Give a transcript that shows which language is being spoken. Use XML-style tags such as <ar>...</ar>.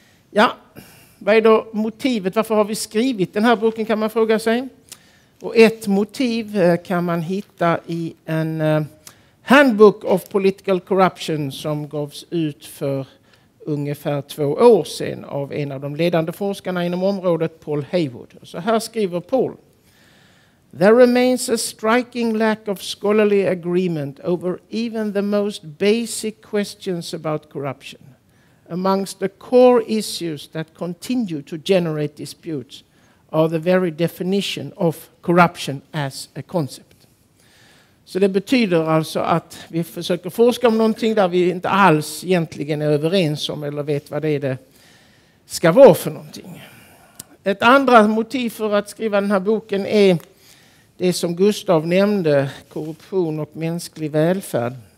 <sv>Ja, vad är då motivet? Varför har vi skrivit den här boken kan man fråga sig. Och ett motiv kan man hitta i en Handbook of Political Corruption som gavs ut för ungefär 2 år sedan av en av de ledande forskarna inom området, Paul Heywood. Så här skriver Paul.</sv> <en>There remains a striking lack of scholarly agreement over even the most basic questions about corruption. Amongst the core issues that continue to generate disputes are the very definition of corruption as a concept.</en> <sv>Så det betyder alltså att vi försöker forska om någonting där vi inte alls egentligen är överens om eller vet vad det ska vara för någonting. Ett andra motiv för att skriva den här boken är det som Gustav nämnde, korruption och mänsklig välfärd.</sv>